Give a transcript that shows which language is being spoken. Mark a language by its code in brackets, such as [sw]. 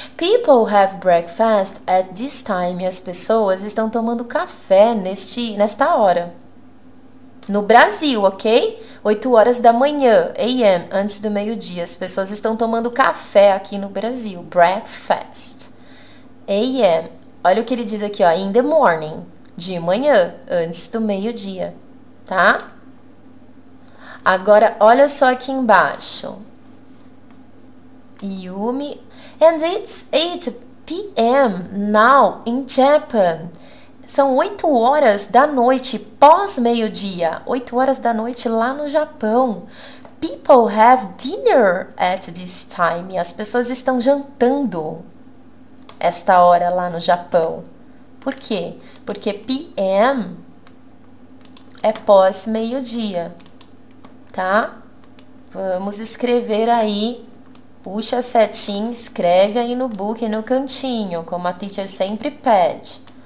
[en] People have breakfast at this time. [pt] As pessoas estão tomando café nesta hora. No Brasil, ok? 8 horas da manhã. AM, antes do meio-dia. As pessoas estão tomando café aqui no Brasil. Breakfast. AM. Olha o que ele diz aqui, ó. [en] In the morning. [pt] De manhã, antes do meio-dia. Tá? Agora, olha só aqui embaixo. Yumi. [en] And it's 8 p.m. now in Japan. [pt] São 8 horas da noite, pós-meio-dia. 8 horas da noite lá no Japão. [en] People have dinner at this time. [pt] As pessoas estão jantando esta hora lá no Japão. Por quê? Porque p.m. é pós-meio-dia. Tá? Vamos escrever aí. Puxa a setinha, escreve aí no book, no cantinho, como a teacher sempre pede.